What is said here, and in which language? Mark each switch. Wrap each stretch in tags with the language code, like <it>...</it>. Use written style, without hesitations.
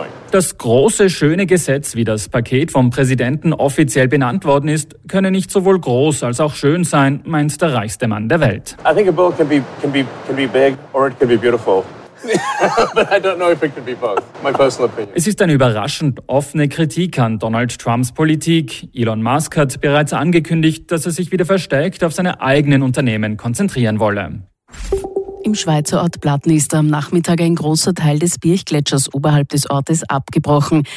<de>Das große, schöne Gesetz, wie das Paket vom Präsidenten offiziell benannt worden ist, könne nicht sowohl groß als auch schön sein, meint der reichste Mann der Welt.</de> <en>I think a bill can be big or it can be beautiful.</en> <de>Es ist eine überraschend offene Kritik an Donald Trumps Politik. Elon Musk hat bereits angekündigt, dass er sich wieder verstärkt auf seine eigenen Unternehmen konzentrieren wolle. Im Schweizer Ort Platten ist am Nachmittag ein großer Teil des Birchgletschers oberhalb des Ortes abgebrochen.</de>